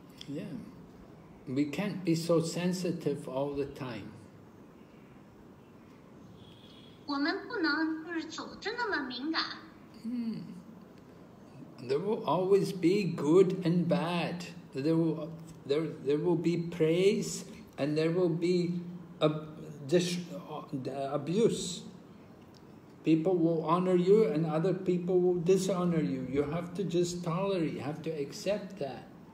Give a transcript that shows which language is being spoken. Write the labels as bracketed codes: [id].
[en] Yeah, we can't be so sensitive all the time. [zh] 我们不能就是总是那么敏感。 [en] There will always be good and bad. There will be praise and there will be abuse. People will honor you and other people will dishonor you. You have to just tolerate, you have to accept that.